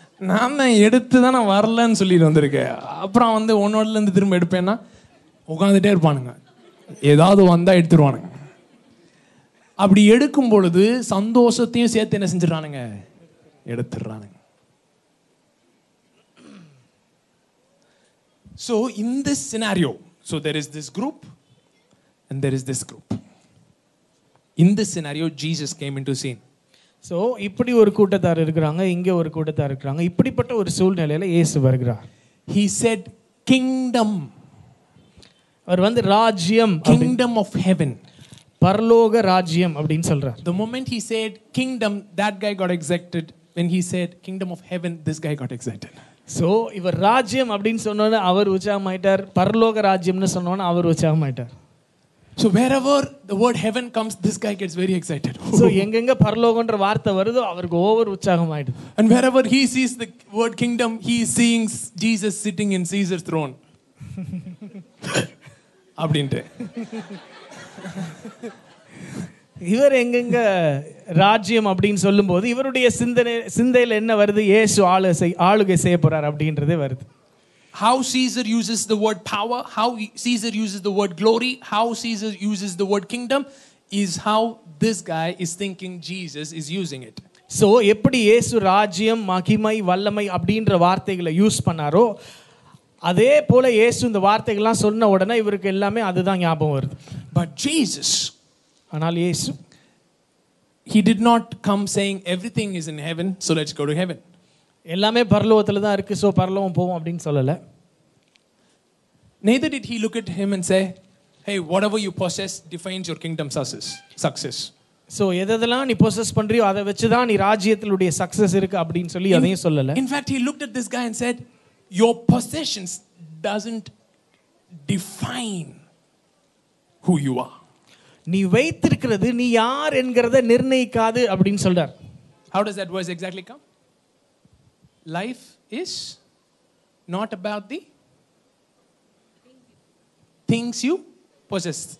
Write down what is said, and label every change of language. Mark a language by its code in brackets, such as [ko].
[ta] நான் தான் எடுத்து தானே வரலன்னு சொல்லிட்டு வந்திருக்கேன். அப்புறம் வந்து உன்னோட இருந்து திரும்ப எடுப்பேன்னா உட்காந்துட்டே இருப்பானுங்க. ஏதாவது வந்தா எடுத்துருவானுங்க. அப்படி எடுக்கும் பொழுது சந்தோஷத்தையும் சேர்த்து என்ன செஞ்சிடறானுங்க, எடுத்துடுறானுங்க. [en] So in this scenario, so there is this group and there is this group. In this scenario, Jesus came into scene. [ta] So இப்படி ஒரு கூட்டத்தார் இருக்கிறாங்க, இங்க ஒரு கூட்டத்தார் இருக்கிறாங்க. இப்படிப்பட்ட ஒரு சூழ்நிலையில இயேசு வருகிறார். [en] He said, kingdom. [ta] அவர் வந்து ராஜ்யம், [en] kingdom of heaven. [ta] பரலோக ராஜ்யம் அப்படினு சொல்றார். [en] The moment he said kingdom, that guy got exalted. When he said kingdom of heaven, this guy got exalted. [ta] So இவர் ராஜ்யம் அப்படினு சொன்னானே அவர் உச்சமாயிட்டார். பரலோக ராஜ்யம்னு சொன்னானே அவர் உச்சமாயிட்டார். [en] So wherever the word heaven comes, this guy gets very excited. [ta] So எங்கெங்க பரலோகம்ன்ற வார்த்தை வருதோ அவருக்கு over உற்சாகமாயிடுது. [en] And wherever he sees the word kingdom, he is seeing Jesus sitting in Caesar's throne. [ta] அப்படின்ட்டு இவர் எங்கெங்க ராஜ்யம் அப்படின்னு சொல்லும் போது இவருடைய சிந்தனை சிந்தையில என்ன வருது? இயேசு ஆளுகை செய்ய போறார் அப்படின்றதே வருது. [en] How Caesar uses the word power, how Caesar uses the word glory, how Caesar uses the word kingdom is how this guy is thinking Jesus is using it. [ta] So எப்படி இயேசு ராஜ்யம், மகிமை, வல்லமை அப்படின்ற வார்த்தைகளை யூஸ் பண்ணாரோ அதே போல இயேசு இந்த வார்த்தைகள்லாம் சொன்ன உடனே இவருக்கு எல்லாமே அதுதான் ஞாபகம் வருது. [en] But Jesus, [ta] ஆனால் இயேசு, [en] he did not come saying everything is in heaven, so let's go to heaven. [ta] எல்லாமே பரலோகத்துல தான் இருக்கு, சோ பரலோகம் போவோம் அப்படின்னு சொல்லல. [en] Neither did he look at him and say, hey, whatever you possess defines your kingdom success. [ta] So எதெல்லாம் நீ possess பண்றியோ அதை வச்சுதான் நீ ராஜ்யத்தினுடைய சக்சஸ் இருக்கு அப்படின்னு சொல்லி அதையும் சொல்லல. [en] In fact, he looked at this guy and said, your possessions doesn't define who you are. [ta] நீ வைத்திருக்கிறது நீ யார் என்கிறத நிர்ணயிக்காது அப்படினு சொல்றார். [en] How does that verse exactly come? Life is not about the things you possess.